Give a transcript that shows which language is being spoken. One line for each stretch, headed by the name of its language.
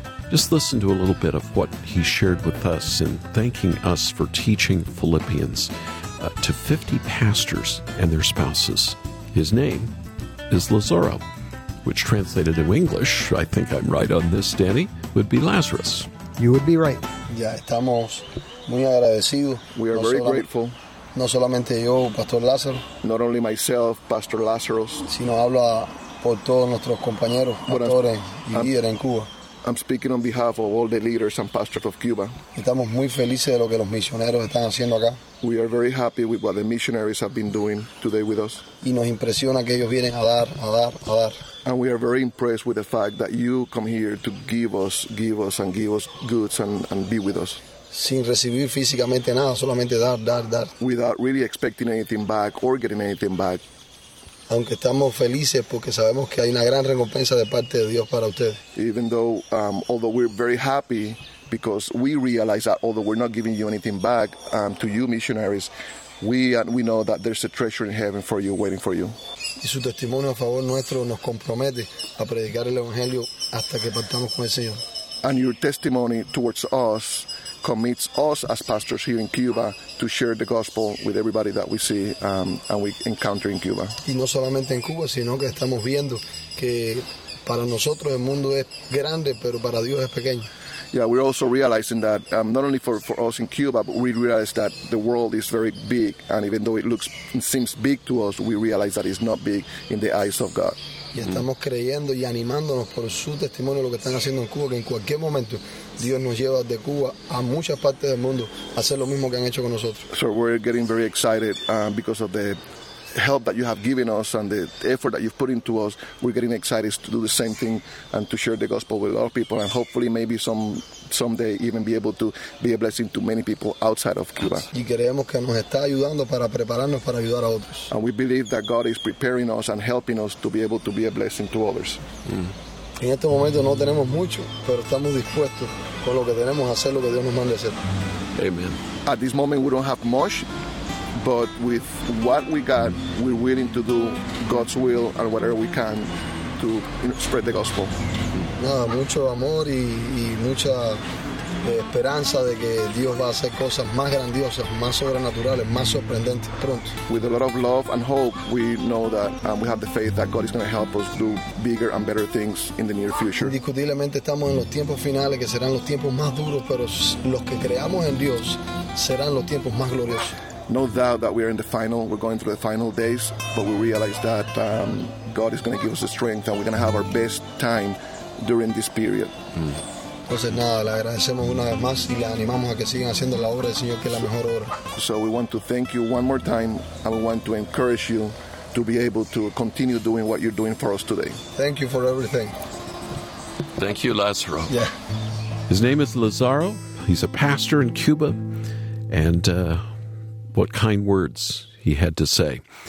English: Just listen to a little bit of what he shared with us in thanking us for teaching Philippians to 50 pastors and their spouses. His name is Lazaro, which translated to English, I think I'm right on this, Danny, would be Lazarus. You would be right.
Spanish: Ya estamos muy agradecidos.
English: We are very grateful.
Spanish: No solamente yo, Pastor Lázaro.
English: Not only myself, Pastor Lazarus.
Spanish: Sino hablo por todos nuestros compañeros, pastores y líderes en Cuba.
English: I'm speaking on behalf of all the leaders and pastors of Cuba.
Spanish: Estamos muy felices de lo que los misioneros están haciendo acá.
English: We are very happy with what the missionaries have been doing today with us.
Spanish: Y nos impresiona que ellos vienen a dar.
English: And we are very impressed with the fact that you come here to give us goods and be with us.
Spanish: Sin recibir físicamente nada, solamente dar.
English: Without really expecting anything back or getting anything back.
Spanish: Aunque estamos felices porque sabemos que hay una gran recompensa de parte de Dios para ustedes.
English: Even though, although we're very happy because we realize that although we're not giving you anything back to you missionaries, we know that there's a treasure in heaven for you, waiting for you.
Spanish: Y su testimonio a favor nuestro nos compromete a predicar el Evangelio hasta que partamos con el Señor.
English: And your testimony towards us commits us as pastors here in Cuba to share the gospel with everybody that we see and we encounter in Cuba.
Spanish: Y no solamente en Cuba, sino que estamos viendo que para nosotros el mundo es grande, pero para Dios es pequeño.
English: Yeah, we're also realizing that not only for us in Cuba, but we realize that the world is very big. And even though it seems big to us, we realize that it's not big in the eyes of God.
Spanish: Y estamos creyendo y animándonos por su testimonio, lo que están haciendo en Cuba, que en cualquier momento Dios nos lleva de Cuba a muchas partes del mundo a hacer lo mismo que han hecho con nosotros.
English: So we're getting very excited because of the help that you have given us and the effort that you've put into us. We're getting excited to do the same thing and to share the gospel with a lot of people, and hopefully maybe someday even be able to be a blessing to many people outside of Cuba.
Spanish: Y creemos que nos está ayudando para prepararnos para ayudar a otros.
English: And we believe that God is preparing us and helping us to be able to be a blessing to others.
Spanish: En este momento no tenemos mucho, pero estamos dispuestos con lo que tenemos a hacer lo que Dios nos manda hacer.
English: Amen. At this moment we don't have much, but with what we got, we're willing to do God's will and whatever we can to spread the gospel.
Spanish: Nada, mucho amor y mucha esperanza de que Dios va a hacer cosas más grandiosas, más sobrenaturales, más sorprendentes pronto.
English: With a lot of love and hope, we know that we have the faith that God is going to help us do bigger and better things in the near future.
Spanish: Indiscutiblemente estamos en los tiempos finales, que serán los tiempos más duros, pero los que creamos en Dios serán los tiempos más gloriosos.
English: No doubt that we are in the final, we're going through the final days, but we realize that God is going to give us the strength and we're going to have our best time during this period.
Spanish: Entonces nada, le agradecemos una vez más y le animamos a que sigan haciendo la obra del Señor, que es la mejor obra.
English: So we want to thank you one more time and we want to encourage you to be able to continue doing what you're doing for us today. Thank you for everything. Thank you, Lazaro. Yeah. His name is Lazaro. He's a pastor in Cuba, and what kind words he had to say.